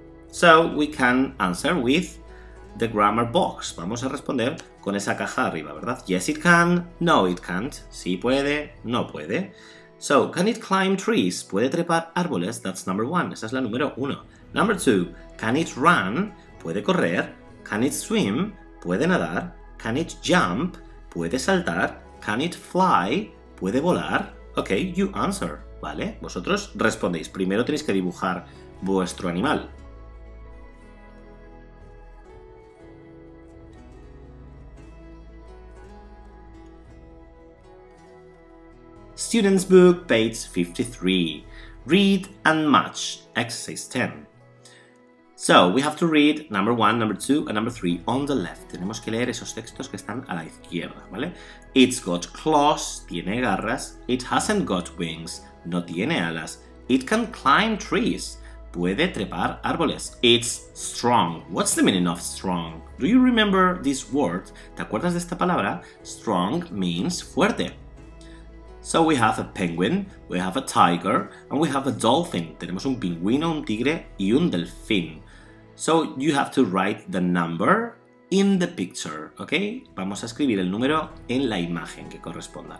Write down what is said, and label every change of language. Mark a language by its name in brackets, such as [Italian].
[English] So we can answer with the grammar box. [Spanish] Vamos a responder con esa caja arriba, ¿verdad? [English] Yes, it can. No, it can't. [Spanish] Sí puede. No puede. [English] So, can it climb trees? [Spanish] ¿Puede trepar árboles? [English] That's number one. [Spanish] Esa es la número uno. [English] Number two. Can it run? [Spanish] ¿Puede correr? [English] Can it swim? [Spanish] ¿Puede nadar? [English] Can it jump? [Spanish] ¿Puede saltar? [English] Can it fly? [Spanish] ¿Puede volar? [English] Ok, you answer. [Spanish] ¿Vale? Vosotros respondéis. Primero tenéis que dibujar vuestro animal. [English] Student's book, page 53. Read and match, exercise 10. So, we have to read number 1, number 2, and number 3 on the left. [Spanish] Tenemos que leer esos textos que están a la izquierda, ¿vale? [English] It's got claws, [Spanish] tiene garras. [English] It hasn't got wings, [Spanish] no tiene alas. [English] It can climb trees, [Spanish] puede trepar árboles. [English] It's strong. What's the meaning of strong? Do you remember this word? [Spanish] ¿Te acuerdas de esta palabra? [English] Strong means fuerte. So we have a penguin, we have a tiger, and we have a dolphin. [Spanish] Tenemos un pingüino, un tigre y un delfín. [English] So you have to write the number in the picture, okay? [Spanish] Vamos a escribir el número en la imagen que corresponda.